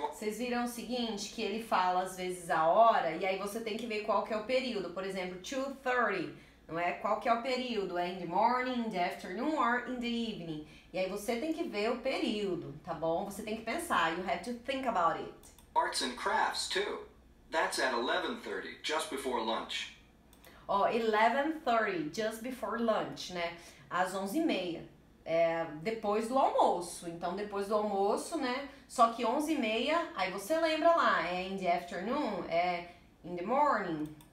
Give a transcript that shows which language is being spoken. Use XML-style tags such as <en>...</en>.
<pt>Vocês viram o seguinte, que ele fala às vezes a hora, e aí você tem que ver qual que é o período. Por exemplo, 2:30, não é? Qual que é o período?</pt> <en>É in the morning, in the afternoon, or in the evening?</en> <pt>E aí você tem que ver o período, tá bom? Você tem que pensar,</pt> <en>you have to think about it. Arts and crafts, too. That's at 11:30, just before lunch.</en> <pt>Ó, 11:30,</pt> <en>just before lunch,</en> <pt>né? Às 11:30. É, depois do almoço, então depois do almoço, né, só que 11:30, aí você lembra lá, é</pt> <en>in the afternoon,</en> <pt>é</pt> <en>in the morning.</en>